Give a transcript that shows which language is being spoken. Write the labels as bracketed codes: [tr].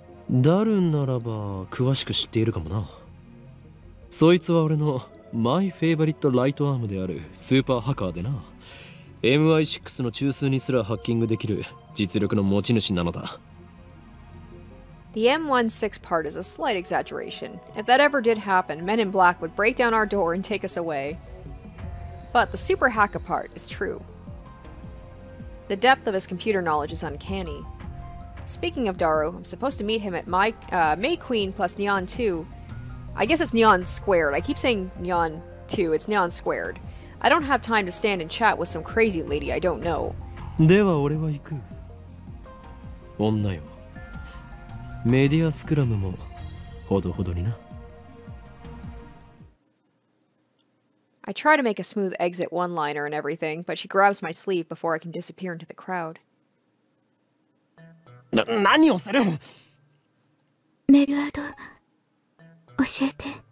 [ja] ダルンならば、詳しく知っているかもな。そいつは俺の、マイフェイバリットライトアームである、スーパーハカーでな。 MI6 の中枢にすらハッキングできる、実力の持ち主なのだ。 [en] The M16 part is a slight exaggeration. If that ever did happen, men in black would break down our door and take us away. But the super hacker part is true. The depth of his computer knowledge is uncanny. Speaking of Daru, I'm supposed to meet him at May Queen plus Neon 2. I guess it's Neon Squared. I keep saying Neon 2, it's Neon Squared. I don't have time to stand and chat with some crazy lady I don't know. [ja] では俺は行く。女よ。メディアスクラムもほどほどにな。 [en] I try to make a smooth exit one-liner and everything, but she grabs my sleeve before I can disappear into the crowd. [ja] 何をする? メリワード、教えて。